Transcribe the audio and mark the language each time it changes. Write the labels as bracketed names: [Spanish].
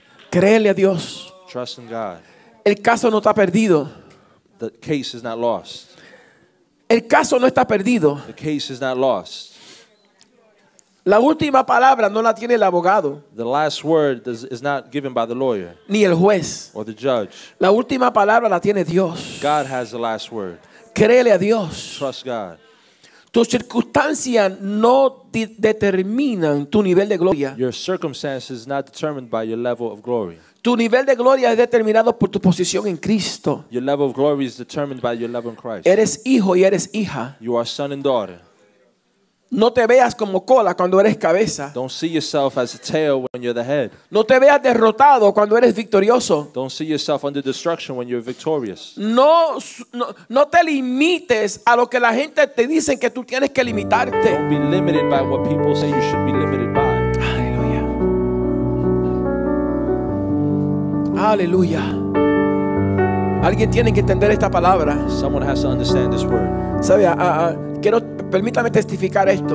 [Spanish] Creerle a Dios. [English] Trust in God. [Spanish] El caso no está perdido. [English] The case is not lost. [Spanish] El caso no está perdido. [English] The case is not lost. [Spanish] La última palabra no la tiene el abogado. [English] The last word is not given by the lawyer. [Spanish] Ni el juez. [English] Or the judge. [Spanish] La última palabra la tiene Dios. [English] God has the last word. [Spanish] Créele a Dios. [English] Trust God. [Spanish] Tus circunstancias no determinan tu nivel de gloria. [English] Your circumstances is not determined by your level of glory. [Spanish] Tu nivel de gloria es determinado por tu posición en Cristo. [English] Your level of glory is determined by your level in Christ. [Spanish] Eres hijo y eres hija. [English] You are son and daughter. [Spanish] No te veas como cola cuando eres cabeza. [English] Don't see yourself as a tail when you're the head. [Spanish] No te veas derrotado cuando eres victorioso. [English] Don't see yourself under destruction when you're victorious. [Spanish] No te limites a lo que la gente te dice que tú tienes que limitarte. [English] Don't be limited by what people say you should be limited by. [Spanish] Aleluya. Aleluya. Alguien tiene que entender esta palabra. [English] Someone has to understand this word. [Spanish] Sabe, quiero, permítame testificar esto.